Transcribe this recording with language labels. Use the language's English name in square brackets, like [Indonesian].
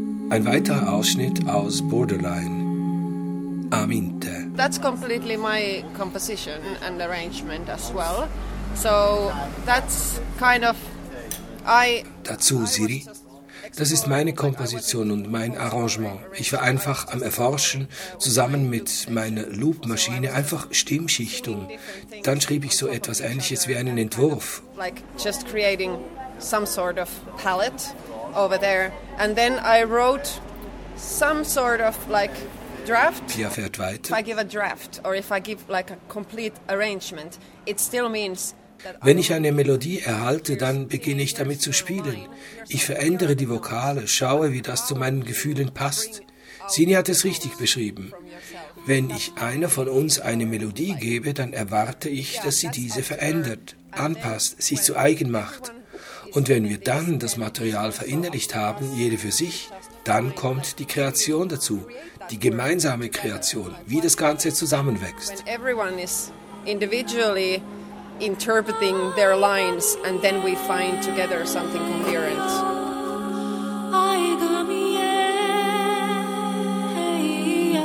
[German] Ein weiterer Ausschnitt aus Borderline, Aminte. [English] That's completely my composition and arrangement as well. So that's kind of I. [German] Dazu Siri. Das ist meine Komposition und mein Arrangement. Ich war einfach am Erforschen, zusammen mit meiner Loop-Maschine, einfach Stimmschichtung. Dann schrieb ich so etwas Ähnliches wie einen Entwurf. [English] Like just creating some sort of palette over there. And then I wrote some sort of like draft. [German] Pia fährt weiter. [English] If I give a draft or if I give like a complete arrangement, it still means that. [German] Wenn ich eine Melodie erhalte, dann beginne ich damit zu spielen. Ich verändere die Vokale, schaue, wie das zu meinen Gefühlen passt. Sini hat es richtig beschrieben. Wenn ich einer von uns eine Melodie gebe, dann erwarte ich, dass sie diese verändert, anpasst, sich zu eigen macht. Und wenn wir dann das Material verinnerlicht haben, jede für sich, dann kommt die Kreation dazu, die gemeinsame Kreation, wie das Ganze zusammenwächst. [English] When everyone is individually interpreting their lines and then we find together something coherent.